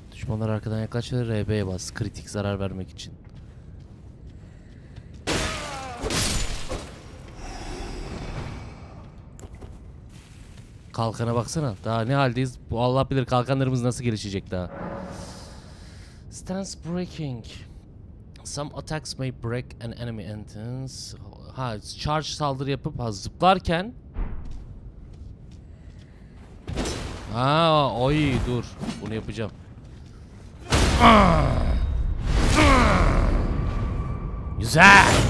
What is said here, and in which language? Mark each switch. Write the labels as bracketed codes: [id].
[tr] Onlar arkadan yaklaşır, RB'ye bas. Kritik zarar vermek için. Kalkana baksana. Daha ne haldeyiz? Bu Allah bilir kalkanlarımız nasıl gelişecek daha. [en] Stance breaking. Some attacks may break an enemy entrance. [tr] Ha, charge saldırı yapıp zıplarken. Ha, oy dur. Bunu yapacağım. Güzel.